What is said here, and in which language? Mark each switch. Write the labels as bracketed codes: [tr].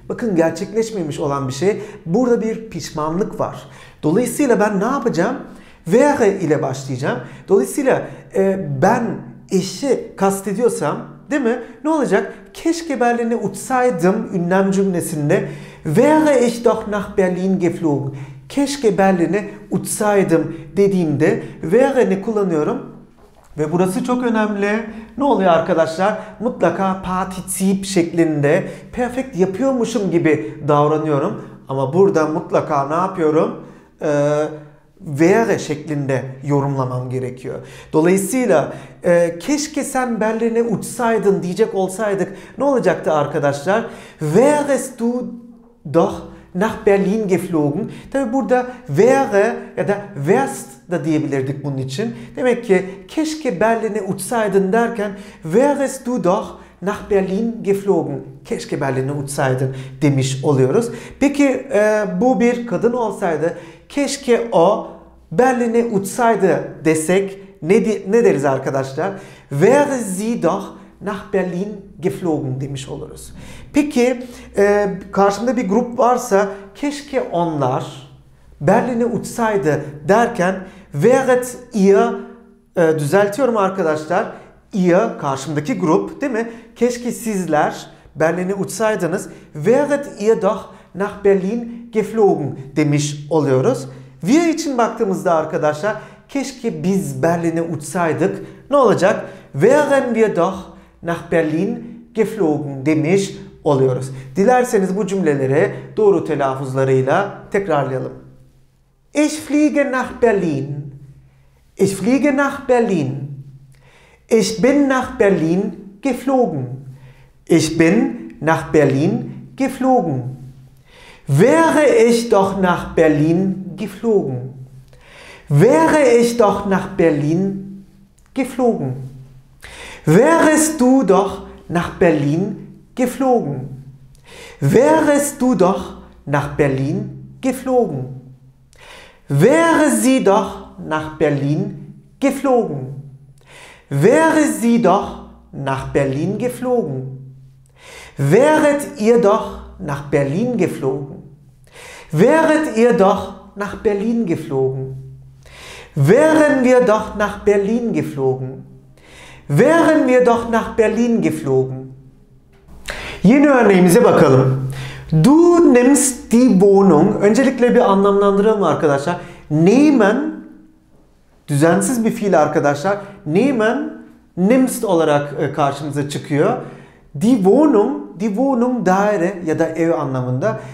[tr] Bakın gerçekleşmemiş olan bir şey. Burada bir pişmanlık var. Dolayısıyla ben ne yapacağım? Wäre ile başlayacağım. Dolayısıyla ben eşi kastediyorsam, değil mi? Ne olacak? Keşke Berlin'e uçsaydım ünlem cümlesinde. [de] Wäre ich doch nach Berlin geflogen. [tr] Keşke Berlin'e uçsaydım dediğimde wäre'ni kullanıyorum. Ve burası çok önemli. Ne oluyor arkadaşlar? Mutlaka partizip şeklinde perfect yapıyormuşum gibi davranıyorum. Ama burada mutlaka ne yapıyorum? Wäre şeklinde yorumlamam gerekiyor. Dolayısıyla keşke sen Berlin'e uçsaydın diyecek olsaydık ne olacaktı arkadaşlar? [de] Wärest du doch nach Berlin geflogen? [tr] Tabi burada wäre ya da wärst da diyebilirdik bunun için. Demek ki keşke Berlin'e uçsaydın derken [de] wärest du doch nach Berlin geflogen. [tr] Keşke Berlin'e uçsaydın demiş oluyoruz. Peki bu bir kadın olsaydı keşke o Berlin'e uçsaydı desek ne deriz arkadaşlar? [de] Wäre sie doch nach Berlin geflogen [tr] demiş oluruz. Peki karşımda bir grup varsa keşke onlar Berlin'e uçsaydı derken [de] wäret ihr [tr] düzeltiyorum arkadaşlar. Ihr karşımdaki grup değil mi? Keşke sizler Berlin'e uçsaydınız. [de] Wäret ihr doch nach Berlin geflogen [tr] demiş oluyoruz. Wir için baktığımızda arkadaşlar keşke biz Berlin'e uçsaydık. Ne olacak? [de] Wären wir doch nach Berlin geflogen [tr] demiş oluyoruz. Dilerseniz bu cümleleri doğru telaffuzlarıyla tekrarlayalım. [de] Ich fliege nach Berlin. Ich fliege nach Berlin. Ich bin nach Berlin geflogen. Ich bin nach Berlin geflogen. Wäre ich doch nach Berlin geflogen. Wäre ich doch nach Berlin geflogen. Wärest du doch nach Berlin geflogen? Wärest du doch nach Berlin geflogen? Wäre sie doch nach Berlin geflogen? Wäre sie doch nach Berlin geflogen? Wäret ihr doch nach Berlin geflogen? Wäret ihr doch nach Berlin geflogen? Wären wir doch nach Berlin geflogen? Wären wir doch nach Berlin geflogen. [tr] Yeni örneğimize bakalım. [de] Du nimmst die Wohnung. [tr] Öncelikle bir anlamlandıralım arkadaşlar. Nehmen, düzensiz bir fiil arkadaşlar. Nehmen, nimmst olarak karşımıza çıkıyor. Die Wohnung daire ya da ev anlamında.